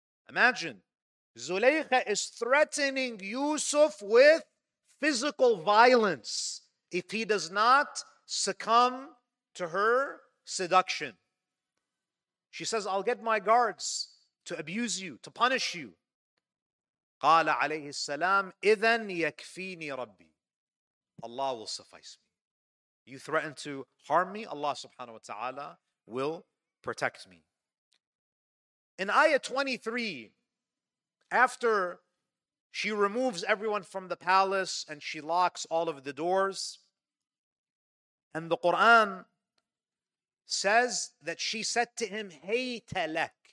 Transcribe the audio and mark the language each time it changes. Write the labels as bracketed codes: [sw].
[en] Imagine, Zulaykha is threatening Yusuf with physical violence if he does not succumb to her seduction. She says, I'll get my guards to abuse you, to punish you. [ar] قال عليه السلام إذن يكفيني ربي. [en] Allah will suffice me. You threaten to harm me, Allah subhanahu wa ta'ala will protect me. In ayah 23, after she removes everyone from the palace and she locks all of the doors, and the Quran says that she said to him, Hayta lak.